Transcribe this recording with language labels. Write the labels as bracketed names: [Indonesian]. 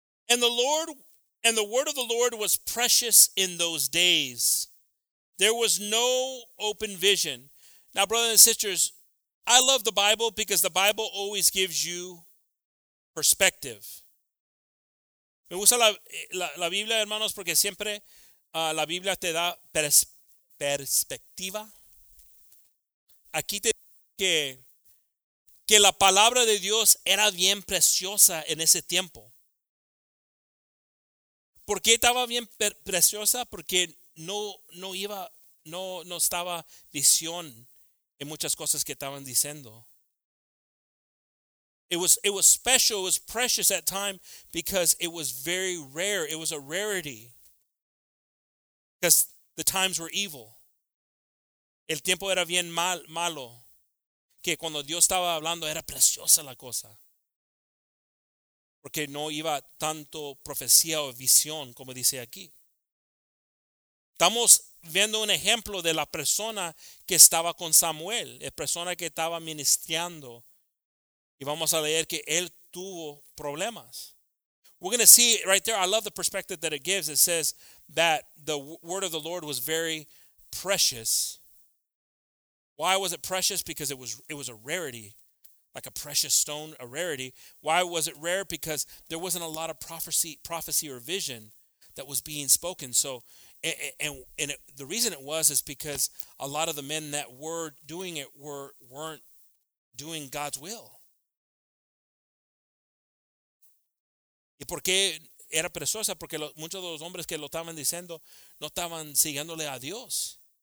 [English] And the word of the Lord was precious in those days. There was no open vision. Now, brothers and sisters, I love the Bible because the Bible always gives you perspective. [Spanish] Me gusta la Biblia, hermanos, porque siempre la Biblia te da perspectiva. Aquí te dice que la palabra de Dios era bien preciosa en ese tiempo. ¿Por qué estaba bien preciosa? Porque no estaba visión en muchas cosas que estaban diciendo. [English] It was special, it was precious at time because it was very rare. It was a rarity. Because the times were evil. [Spanish] El tiempo era bien malo. Que cuando Dios estaba hablando era preciosa la cosa. Porque no iba tanto profecía o visión como dice aquí. Estamos viendo un ejemplo de la persona que estaba con Samuel. La persona que estaba ministrando. Y vamos a leer que él tuvo problemas. [English] We're going to see right there. I love the perspective that it gives. It says that the word of the Lord was very precious. Why was it precious? Because it was a rarity, like a precious stone, a rarity. Why was it rare? Because there wasn't a lot of prophecy or vision that was being spoken. So, and the reason it was is because a lot of the men that were doing it weren't doing God's will. [Spanish] ¿Y por qué era perezosa? Porque muchos de los hombres que lo estaban diciendo no estaban siguiéndole a Dios.